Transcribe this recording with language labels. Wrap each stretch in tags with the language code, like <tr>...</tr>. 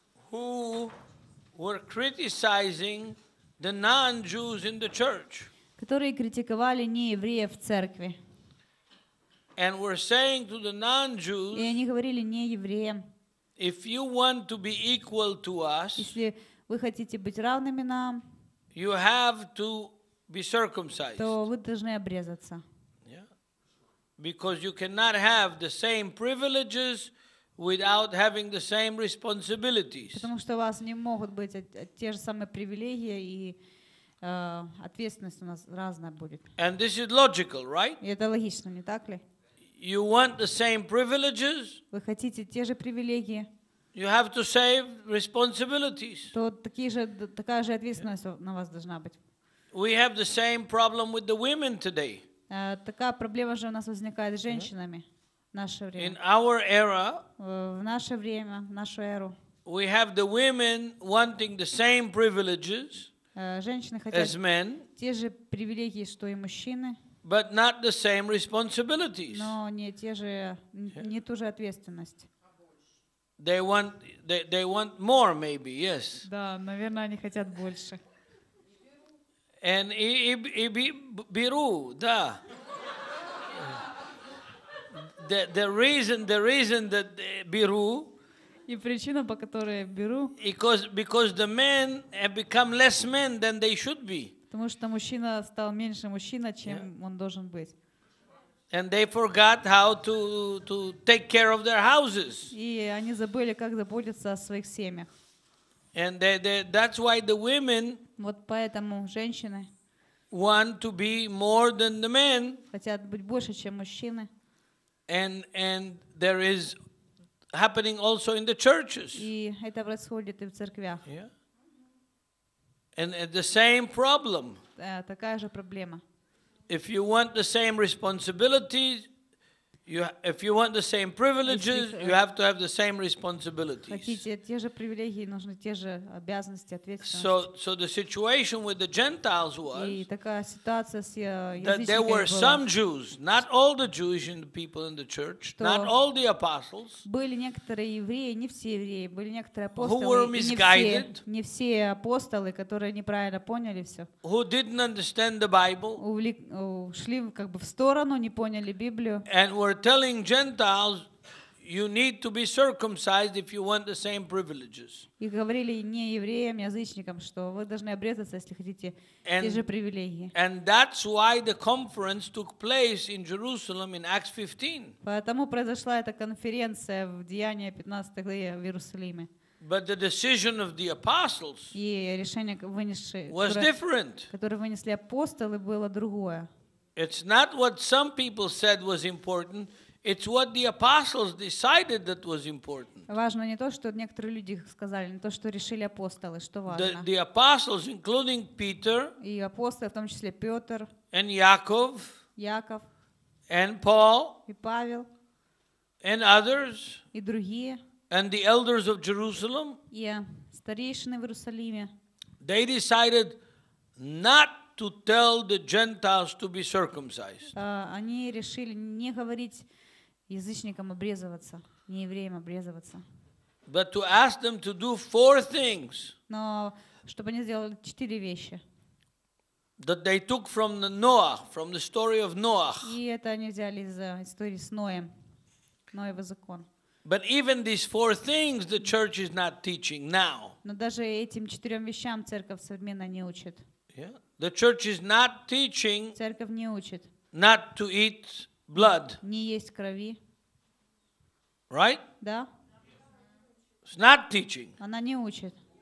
<en>who were criticizing the non-Jews in the church,</en> <ru>которые критиковали не евреев в церкви,</ru> <en>and were saying to the non-Jews,</en> <ru>и они говорили не евреям,</ru> <en>if you want to be equal to us,</en> <ru>если вы хотите быть равными нам,</ru> <en>you have to be circumcised,</en> <ru>то вы должны обрезаться.</ru> <en>Because you cannot have the same privileges without having the same responsibilities.</en> <ru>Потому что у вас не могут быть те же самые привилегии и ответственность у нас разная будет.</ru> <en>And this is logical, right?</en> <ru>И это логично, не так ли?</ru> <en>You want the same privileges?</en> <ru>Вы хотите те же привилегии?</ru> <en>You have the same responsibilities.</en> <ru>То такие же такая же ответственность на вас должна быть.</ru> <en>We have the same problem with the women today.</en> <ru>Такая проблема же у нас возникает с женщинами в наше время.</ru> <en>In our era,</en> <ru>в наше время, в нашу эру,</ru> <en>we have the women wanting the same privileges,</en> <ru>Женщины хотят те же привилегии, что и мужчины.</ru> <en>But not the same responsibilities.</en> <ru>Но не те же, не ту же ответственность.</ru> <en>They want more, maybe, yes.</en> <ru>Да, наверное, они хотят больше.</ru> <en>And</en> <ru>беру, да.</ru> <en>The reason that</en> <ru>беру. И причина, по которой беру.</ru> <en>Because the men have become less men than they should be.</en> <ru>Потому что мужчина стал меньше мужчина, чем он должен быть.</ru> <en>And they forgot how to take care of their houses.</en> <ru>И они забыли, как заботиться о своих семьях.</ru> <en>And that's why the women.</en> <ru>Вот поэтому женщины.</ru> <en>Want to be more than the men.</en> <ru>Хотят быть больше, чем мужчины.</ru> <en>And there is happening also in the churches.</en> <ru>И это происходит и в церквях.</ru> <en>And the same problem.</en> <ru>Такая же проблема.</ru> <en>If you want the same responsibilities, if you want the same privileges, you have to have the same responsibilities.</en> <ru>Хотите те же привилегии, нужны те же обязанности, ответственность.</ru> <en>So the situation with the Gentiles was.</en> <ru>И такая ситуация с язычниками.</ru> <en>That there were some Jews, not all the Jewish people in the church, not all the apostles.</en> <ru>Были некоторые евреи, не все евреи, были некоторые апостолы, не все апостолы, которые неправильно поняли все.</ru> <en>Who didn't understand the Bible?</en> <ru>Ушли как бы в сторону, не поняли Библию.</ru> <en>We're telling Gentiles, you need to be circumcised if you want the same privileges.</en> <ru>И говорили не евреям, язычникам, что вы должны обрезаться, если хотите те же привилегии.</ru> <en>And that's why the conference took place in Jerusalem in Acts 15.</en> <ru>Поэтому произошла эта конференция в Деяниях 15 главе в Иерусалиме.</ru> <en>But the decision of the apostles.</en> <ru>И решение вынесли.</ru> <en>Was different.</en> <ru>Которое вынесли апостолы, было другое.</ru> <en>It's not what some people said was important, it's what the apostles decided that was important.</en> <ru>Важно не то, что некоторые люди сказали, не то, что решили апостолы, что важно.</ru> <en>The apostles, including Peter,</en> <ru>и апостолы, в том числе Петр,</ru> <en>and Яков,</en> <ru>Яков,</ru> <en>and Paul,</en> <ru>и Павел,</ru> <en>and others,</en> <ru>и другие,</ru> <en>and the elders of Jerusalem,</en> <ru>и старейшины в Иерусалиме,</ru> <en>they decided not to tell the Gentiles to be circumcised.</en> <ru>Они решили не говорить язычникам обрезываться, не евреям обрезываться.</ru> <en>But to ask them to do four things.</en> <ru>Но чтобы они сделали четыре вещи.</ru> <en>That they took from the Noah, from the story of Noah.</en> <ru>И это они взяли из истории с Ноем, Ноев закон.</ru> <en>But even these four things the church is not teaching now.</en> <ru>Но даже этим четырем вещам церковь современно не учит.</ru> <en>Yeah. The church is not teaching.</en> <ru>Церковь не учит.</ru> <en>Not to eat blood.</en> <ru>Не есть крови.</ru> <en>Right?</en> <ru>Да.</ru> <en>It's not teaching.</en> <ru>Она не учит.</ru>